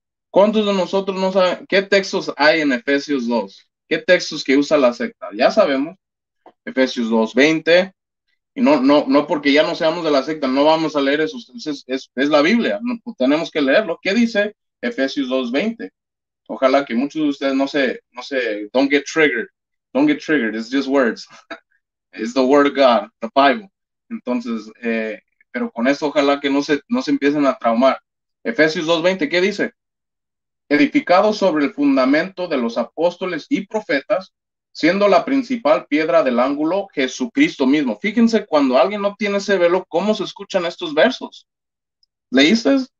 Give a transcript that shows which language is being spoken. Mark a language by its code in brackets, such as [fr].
[es] ¿Cuántos de nosotros no saben qué textos hay en Efesios 2? ¿Qué textos que usa la secta? Ya sabemos, Efesios 2:20, y no porque ya no seamos de la secta, no vamos a leer eso, es la Biblia, no, pues tenemos que leerlo. ¿Qué dice Efesios 2:20? Ojalá que muchos de ustedes no se, [en] don't get triggered, it's just words, it's the word of God, the Bible. [es] Entonces, pero con eso ojalá que no se empiecen a traumar. Efesios 2:20, ¿qué dice? Edificado sobre el fundamento de los apóstoles y profetas, siendo la principal piedra del ángulo Jesucristo mismo. Fíjense, cuando alguien no tiene ese velo, ¿cómo se escuchan estos versos? ¿Leíste?